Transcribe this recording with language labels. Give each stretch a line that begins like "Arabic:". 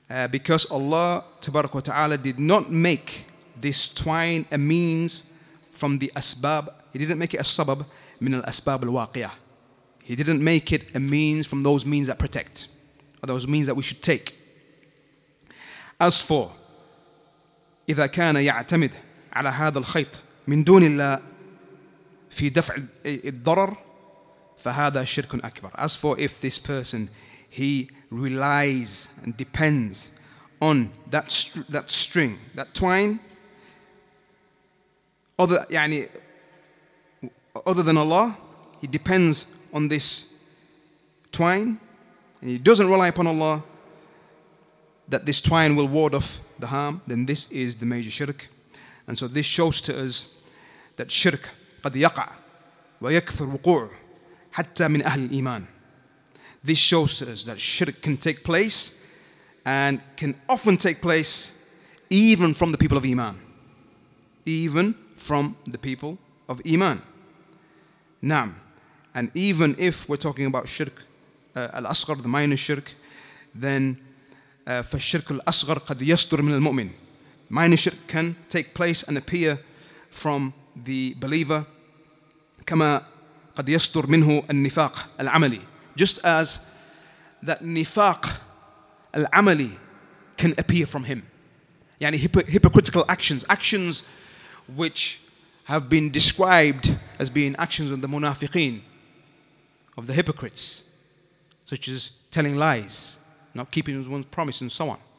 English: Because Allah tabarak wa ta'ala did not make this twine a means from the asbab. He didn't make it a
Arabic: sabab min al-asbab al-waqiyah.
English: He didn't make it a means from those means that protect, or those means that we should take. As for,
Arabic: إذا كان يعتمد على هذا الخيط من دون الله في دفع الضرر فهذا شرك أكبر.
English: As for if this person, he relies and depends on that string, that twine, other than Allah, he depends on this twine, and he doesn't rely upon Allah, that this twine will ward off the harm, then this is the major shirk. And so this shows to us that shirk
Arabic: قد يقع ويكثر وقوع حتى من أهل الإيمان.
English: This shows to us that shirk can take place and can often take place even from the people of Iman. Even from the people of Iman. Naam. And even if we're talking about shirk al-asghar, the minor shirk, then
Arabic: فالشرك الأصغر قد يصدر من المؤمن.
English: Minor shirk can take place and appear from the believer.
Arabic: كما قد يصدر منه النفاق العملي.
English: Just as that nifaq al-amali can appear from him.
Arabic: يعني
English: hypocritical actions. Actions which have been described as being actions of the munafiqeen, of the hypocrites, such as telling lies, not keeping one's promise, and so on.